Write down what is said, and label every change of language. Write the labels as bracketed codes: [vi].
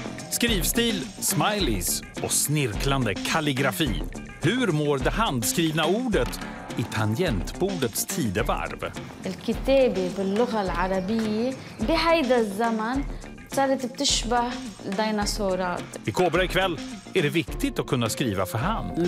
[sv] Skrivstil, smileys och snirklande kalligrafi. Hur mår det handskrivna ordet i tangentbordets tidevarv? [ar] الكتابه باللغه العربيه بهيدا الزمن صارت بتشبه الديناصورات. [sv] I Kobra ikväll är det viktigt att kunna skriva för hand.